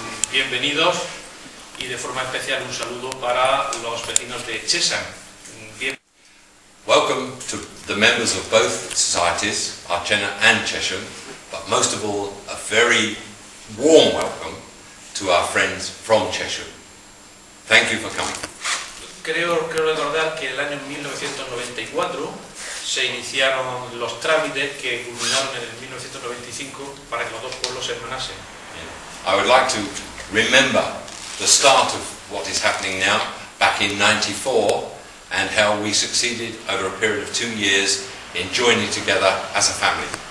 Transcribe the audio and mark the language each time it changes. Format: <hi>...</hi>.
<es>Bienvenidos y de forma especial un saludo para los vecinos de Chessen.</es> <en>Welcome to the members of both societies, Archena and Chessen, but most of all a very warm welcome to our friends from Chessen. Thank you for coming.</en> <es>Creo recordar que el año 1994 se iniciaron los trámites que culminaron en el 1995 para que los dos pueblos se hermanasen.</es> <en>I would like to remember the start of what is happening now back in 94 and how we succeeded over a period of 2 years in joining together as a family.</en>